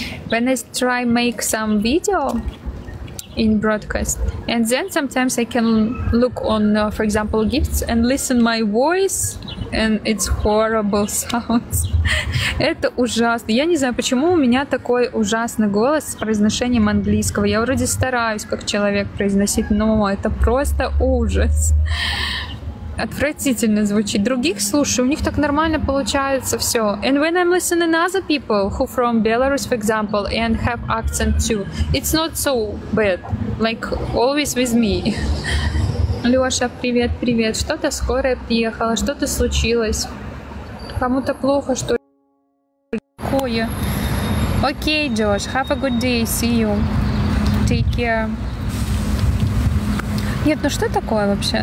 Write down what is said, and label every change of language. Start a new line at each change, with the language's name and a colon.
English: When I try make some video in broadcast, and then sometimes I can look on, for example, gifts and listen my voice. And it's horrible sounds.
Russian: Это ужасно. Я не знаю, почему у меня такой ужасный голос с произношением английского. Я вроде стараюсь как человек произносить, но это просто ужас. отвратительно звучит. Других слушаю, у них так нормально получается все.
English: And when I'm listening to other people who from Belarus, for example, and have accent too, it's not so bad. Like always with me. Лёша,
Russian: привет, привет. Что-то скорая приехала, что-то случилось. Кому-то плохо, что такое. Окей,
English: Джош, have a good day, see you. Take care.
Russian: Нет, ну что такое вообще?